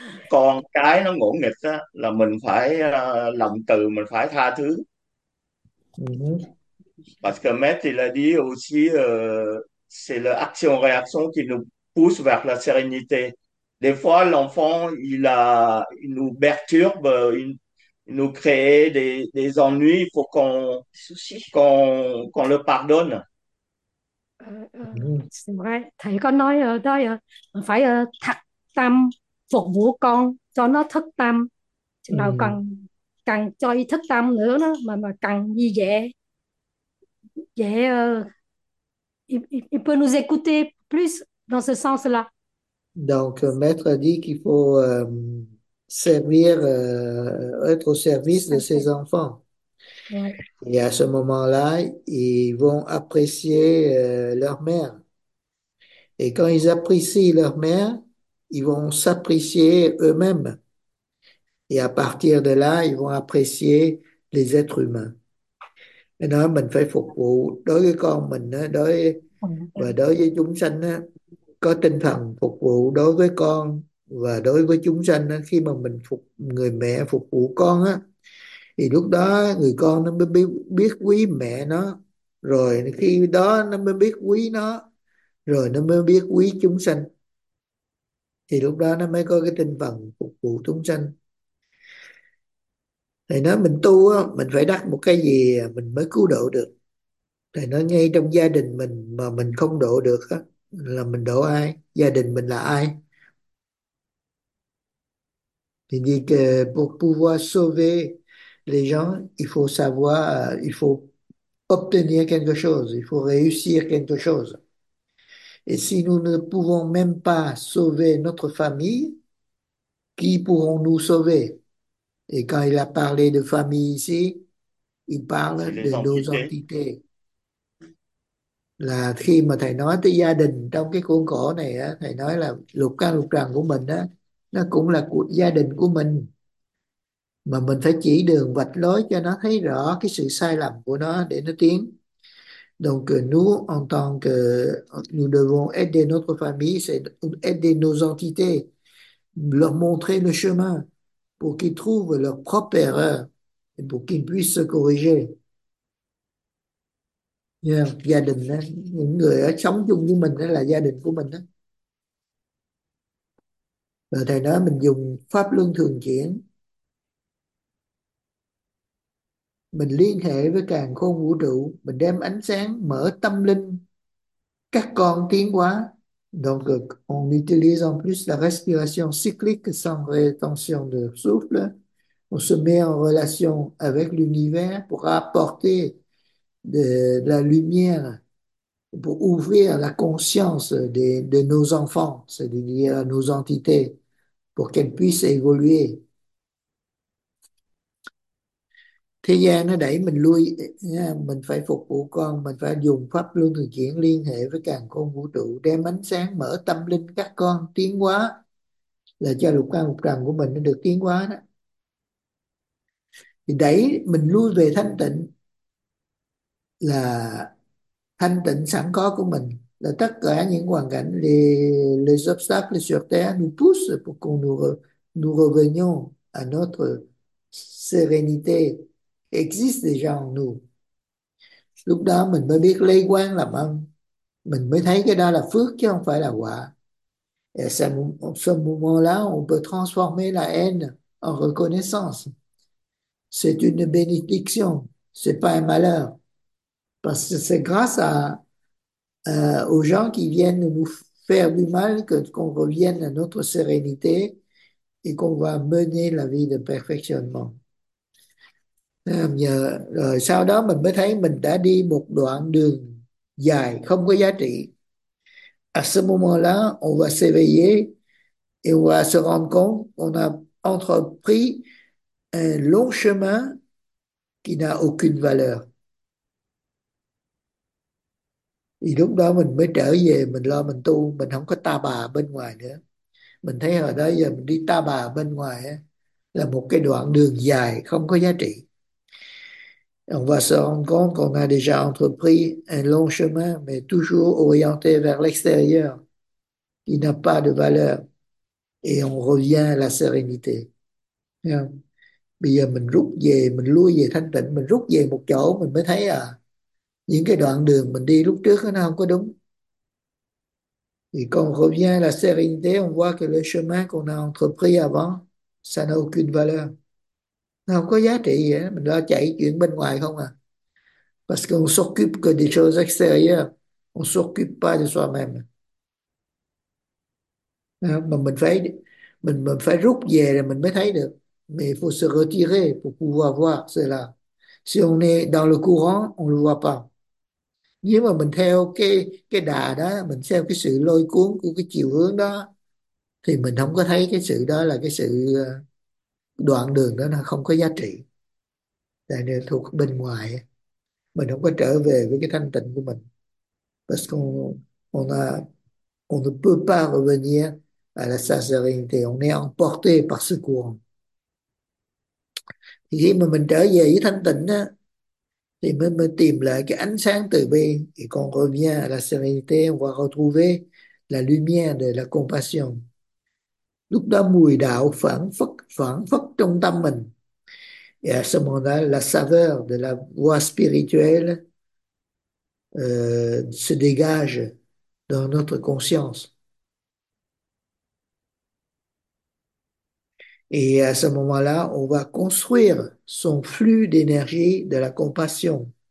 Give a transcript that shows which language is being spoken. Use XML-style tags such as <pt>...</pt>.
<vi>Con cái nó ngỗ nghịch đó, là mình phải lòng từ, mình phải tha thứ.</vi> <fr>Parce que maître, il a dit aussi, c'est l'action-réaction qui nous pousse vers la sérénité. Des fois, l'enfant, il nous perturbe, nous créer des ennuis, il faut qu'on le pardonne. C'est vrai,</fr> <vi>thầy có nói ở đây phải thật tâm phục vụ con cho nó thức tâm, chừng nào cần cần cho y thức tâm nữa nó mà cần như vậy dễ</vi> <fr>il peut nous écouter plus dans ce sens-là. Donc, maître dit qu'il faut servir, être au service de ses enfants. Ouais. Et à ce moment-là, ils vont apprécier leur mère. Et quand ils apprécient leur mère, ils vont s'apprécier eux-mêmes. Et à partir de là, ils vont apprécier les êtres humains.</fr> <vi>Et là, mình phải phục vụ đối với con mình, và đối với chúng sanh, có tinh thần phục vụ đối với con và đối với chúng sanh. Khi mà mình phục người mẹ phục vụ con á, thì lúc đó người con nó mới biết quý mẹ nó, rồi khi đó nó mới biết quý nó, rồi nó mới biết quý chúng sanh, thì lúc đó nó mới có cái tinh thần phục vụ chúng sanh. Thầy nói mình tu á, mình phải đắc một cái gì mình mới cứu độ được. Thầy nói ngay trong gia đình mình mà mình không độ được á, là mình độ ai? Gia đình mình là ai?</vi> <fr>Il dit que pour pouvoir sauver les gens, il faut savoir, il faut obtenir quelque chose, il faut réussir quelque chose. Et si nous ne pouvons même pas sauver notre famille, qui pourrons-nous sauver? Et quand il a parlé de famille ici, il parle de Les nos entités. entités.</fr> <vi>Là khi mà thầy nói tới gia đình trong cái khuôn khổ này á, thầy nói là lục căn lục trần của mình á, nó cũng là của gia đình của mình, mà mình phải chỉ đường vạch lối cho nó thấy rõ cái sự sai lầm của nó để nó tiến.</vi> <fr>Donc nous en tant que nous devons aider notre famille, c'est aider nos entités, leur montrer le chemin pour qu'ils trouvent leur propre erreur et pour qu'ils puissent se corriger.</fr> <vi>Gia đình đó, những người ở sống chung với mình đó là gia đình của mình đó. Rồi thầy nói mình dùng pháp luân thường chuyển, mình liên hệ với càn khôn vũ trụ, mình đem ánh sáng mở tâm linh các con tiến hóa.</vi> <fr>Donc on utilise en plus la respiration cyclique sans rétention de souffle, on se met en relation avec l'univers pour apporter de la lumière, pour ouvrir la conscience de nos enfants, c'est-à-dire nos entités, pour qu'elles puissent évoluer.</fr> <vi>Thế gian nó đẩy mình lui, mình phải phục vụ con, mình phải dùng pháp luân thường chuyển liên hệ với càn khôn vũ trụ, đem ánh sáng mở tâm linh các con tiến hóa, là cho lục căn lục trần của mình nó được tiến hóa đó, thì đẩy mình lui về thanh tịnh, là thanh tịnh sẵn có của mình, là tất cả những hoàn cảnh</vi> <fr>les obstacles sur terre nous poussent pour qu'on nous revenions à notre sérénité existe déjà en nous.</fr> <vi>Lúc đó mình mới biết lấy quán làm ân, mình mới thấy cái đó là phước chứ không phải là quả.</vi> <fr>Et ce moment-là, on peut transformer la haine en reconnaissance. C'est une bénédiction, c'est pas un malheur. Parce que c'est grâce aux gens qui viennent nous faire du mal qu'on revienne à notre sérénité et qu'on va mener la vie de perfectionnement.</fr> <vi>Rồi sau đó mình mới thấy mình đã đi một đoạn đường dài không có giá trị.</vi> <fr>À ce moment-là, on va s'éveiller et on va se rendre compte qu'on a entrepris un long chemin qui n'a aucune valeur.</fr> <vi>Thì lúc đó mình mới trở về, mình lo mình tu, mình không có ta bà bên ngoài nữa. Mình thấy hồi đó giờ mình đi ta bà bên ngoài ấy, là một cái đoạn đường dài không có giá trị.</vi> <fr>On va se rendre compte qu'on a déjà entrepris un long chemin, mais toujours orienté vers l'extérieur, qui n'a pas de valeur. Et on revient à la sérénité. Yeah.</fr> <vi>Bây giờ mình rút về, mình lui về thanh tịnh, mình rút về một chỗ, mình mới thấy à, những cái đoạn đường mình đi lúc trước nó không có đúng. Thì</vi> <fr>quand on revient à la sérénité, on voit que le chemin qu'on a entrepris avant, ça n'a aucune valeur.</fr> <vi>Nó không có giá trị gì hết. Mình lo chạy chuyện bên ngoài không à.</vi> <fr>Parce qu'on s'occupe que des choses extérieures. On s'occupe pas de soi-même.</fr> <vi>Mà mình phải rút về rồi mình mới thấy được.</vi> <fr>Mais il faut se retirer pour pouvoir voir cela. Si on est dans le courant, on ne le voit pas.</fr> <vi>Nếu mà mình theo cái đà đó, mình theo cái sự lôi cuốn của cái chiều hướng đó, thì mình không có thấy cái sự đó là cái sự đoạn đường đó nó không có giá trị. Tại nên thuộc bên ngoài, mình không có trở về với cái thanh tịnh của mình.</vi> <fr>Parce qu'on ne peut pas revenir à la sincérité. On est emporté par ce courant.</fr> <vi>Thì khi mà mình trở về với thanh tịnh á, thì mình mới tìm lại cái ánh sáng từ bi. Thì còn</vi> <fr>revient à la sérénité, on va retrouver la lumière de la compassion.</fr> <vi>Lúc đó mùi đạo phảng phất trong tâm mình.</vi> <fr>Et à ce moment-là, la saveur de la voie spirituelle se dégage dans notre conscience. Et à ce moment-là, on va construire son flux d'énergie de la compassion.</fr>